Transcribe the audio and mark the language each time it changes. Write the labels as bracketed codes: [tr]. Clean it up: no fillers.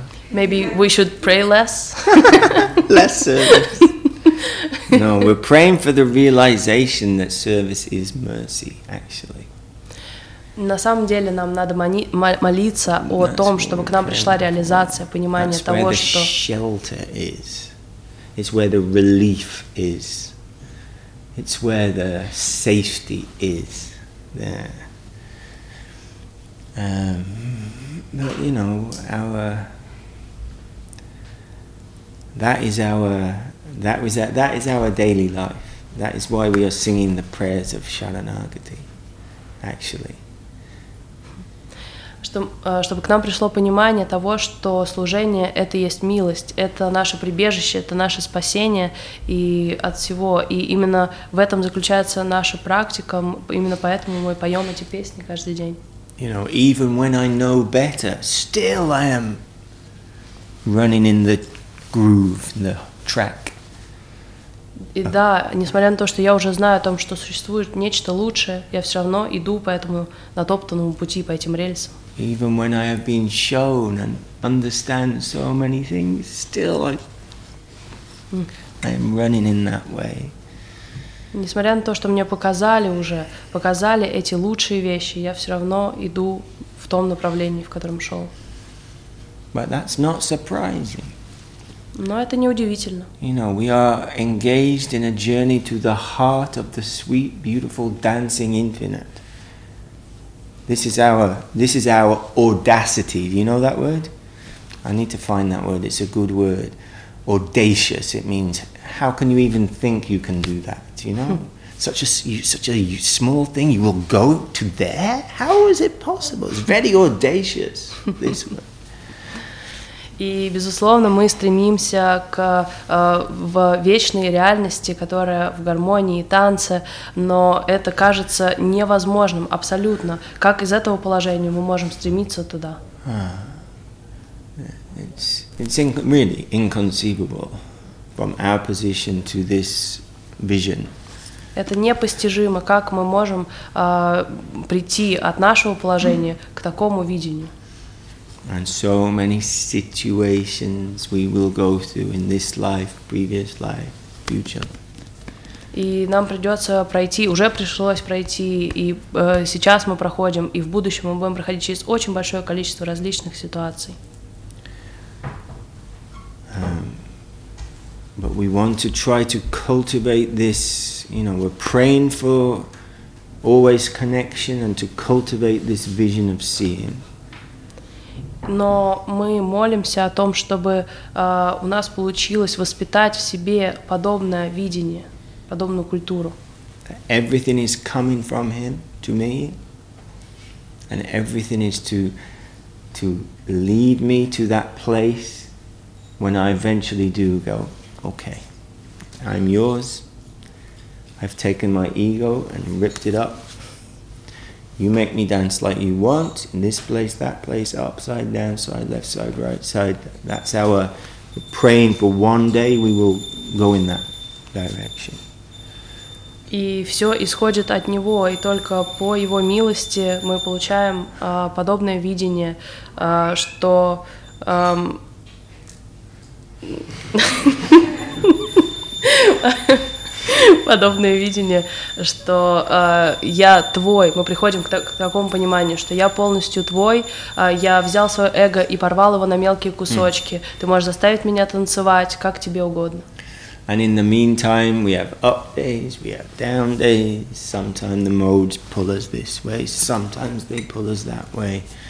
[en] Maybe we should pray less. Less service. No, we're praying for the realization that service is mercy, actually. [ru] На самом деле нам надо молиться о том, чтобы к нам пришла реализация, понимание того, что... [en] That's where the shelter is. It's where the relief is. It's where the safety is. There. But, you know, that is our daily life. That is why we are singing the prayers of Sharanagati, actually. [ru] Чтобы к нам пришло понимание того, что служение — это есть милость, это наше прибежище, это наше спасение и от всего. И именно в этом заключается наша практика, именно поэтому мы поем эти песни каждый день. [en] You know, even when I know better, still I am running in the groove, the track. [ru] И да, несмотря на то, что я уже знаю о том, что существует нечто лучшее, я все равно иду по этому натоптанному пути, по этим рельсам. [en] Even when I have been shown and understand so many things, still I am running in that way. [ru] Несмотря на то, что мне показали уже, показали эти лучшие вещи, я все равно иду в том направлении, в котором шел. [en] But that's not surprising. [ru] Но это не удивительно. [en] You know, we are engaged in a journey to the heart of the sweet, beautiful, dancing infinite. This is our audacity. Do you know that word? I need to find that word. It's a good word. Audacious. It means how can you even think you can do that? You know, such a small thing. You will go to there. How is it possible? It's very audacious. This word. [ru] И безусловно, мы стремимся к в вечной реальности, которая в гармонии и танце, но это кажется невозможным абсолютно. Как из этого положения мы можем стремиться туда? [en] It's really inconceivable from our position to this vision. [ru] Это непостижимо, как мы можем прийти от нашего положения к такому видению. [en] And so many situations we will go through in this life, previous life, future. [ru] И нам придется пройти, уже пришлось пройти, и сейчас мы проходим, и в будущем мы будем проходить через очень большое количество различных ситуаций. [en] But we want to try to cultivate this, you know, we're praying for always connection and to cultivate this vision of seeing. [ru] Но мы молимся о том, чтобы у нас получилось воспитать в себе подобное видение, подобную культуру. [en] Everything is coming from him to me, and everything is to lead me to that place when I eventually do go, okay, I'm yours, I've taken my ego and ripped it up. You make me dance like you want, in this place, that place, upside down, side, left side, right side. That's our praying for one day we will go in that direction. [ru] И все исходит от него, и только по его милости мы получаем подобное видение, что... Подобное видение, что я твой. Мы приходим к такому пониманию, что я полностью твой. Я взял свое эго и порвал его на мелкие кусочки. Mm. Ты можешь заставить меня танцевать, как тебе угодно. [en] And in the meantime, we have up days, we have down days. Sometimes the modes pull us this way, sometimes they pull us that way.